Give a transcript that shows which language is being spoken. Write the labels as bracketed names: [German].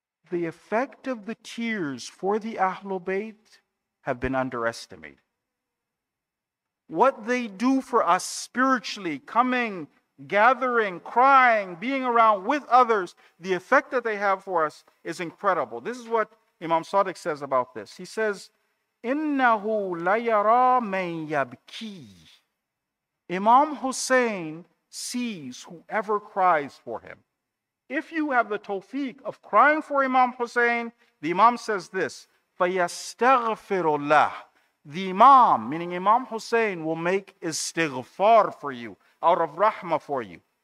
[English] The effect of the tears for the Ahlul Bayt have been underestimated. What they do for us spiritually, coming, gathering, crying, being around with others, the effect that they have for us is incredible. This is what Imam Sadiq says about this. He says, [Arabic] إِنَّهُ لَيَرَى مَنْ يَبْكِي. [English] Imam Hussein sees whoever cries for him. If you have the tawfiq of crying for Imam Hussein, the Imam says this, [Arabic] فَيَسْتَغْفِرُ اللَّهُ. [English] The Imam, meaning Imam Hussein, will make istighfar for you, out of rahmah for you.